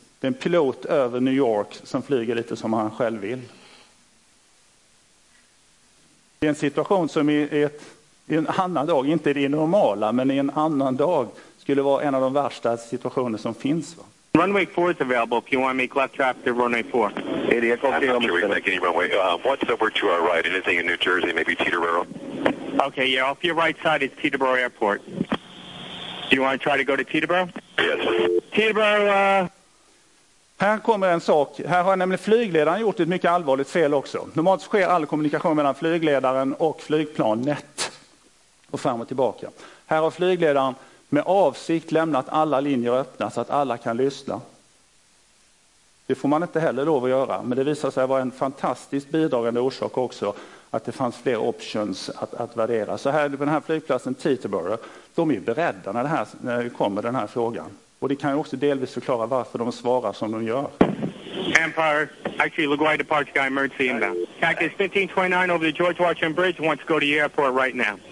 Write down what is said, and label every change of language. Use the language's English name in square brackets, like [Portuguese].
[Swedish] Det är en pilot över New York som flyger lite som han själv vill. Det är en situation som i en annan dag, inte det normala, men i en annan dag skulle vara en av de värsta situationer som finns. Va? [English] Runway 4 is available if you want to make left traffic to runway 4. Hey, the echo field, sure we make any runway. What's over to our right? Anything in New Jersey? Maybe Teterboro? Okay, yeah, off your right side is Teterboro Airport. Do you want to try to go to Teterboro? Yes. Teterboro, [Swedish] Här kommer en sak. Här har nämligen flygledaren gjort ett mycket allvarligt fel också. Normalt sker all kommunikation mellan flygledaren och flygplanet och fram och tillbaka. Här har flygledaren med avsikt lämnat alla linjer öppna så att alla kan lyssna. Det får man inte heller lov att göra. Men det visar sig vara en fantastiskt bidragande orsak också att det fanns fler options att värdera. Så här på den här flygplatsen Teterboro, de är beredda när det kommer den här frågan. Och det kan ju också delvis förklara varför de svarar som de gör. [English] Empire, actually LaGuardia departs guy emergency inbound. Cactus 1529 over the George Washington Bridge wants to go to the airport right now.